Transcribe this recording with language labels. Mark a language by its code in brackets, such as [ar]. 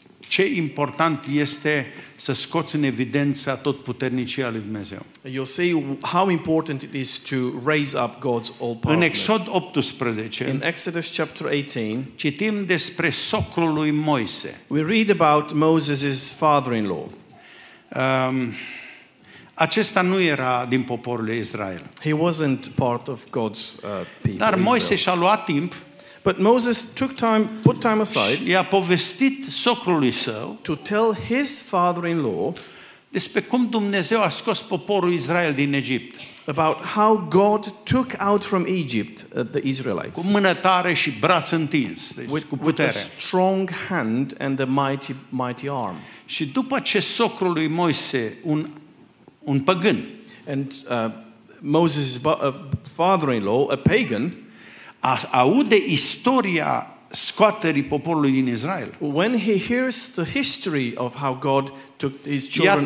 [ro] Ce important este să scoți în evidență atotputernicia lui Dumnezeu. [en] You'll see how important it is to raise up God's all-powerfulness. [ro] În Exod 18, [en] in Exodus chapter 18, [ro] citim despre socrul lui Moise. [en] We read about Moses' father-in-law. [ro] Acesta nu era din poporul Israel. [en] He wasn't part of God's people. [ro] Dar Moise și-a luat timp. [en] But Moses took time, put time aside, [ro] i-a povestit socrului său, [en] to tell his father-in-law, [ro] despre cum Dumnezeu a scos poporul Israel din Egipt, [en] about how God took out from Egypt the Israelites, [ro] cu mână tare și braț întins, deci cu putere, [en] with a strong hand and a mighty arm. [ro] Și după ce socrului Moise, un păgân, [en] and Moses' father-in-law, a pagan, [ro] aude istoria scoaterii poporului din Israel, [en] when he hears the history of how God took his children out,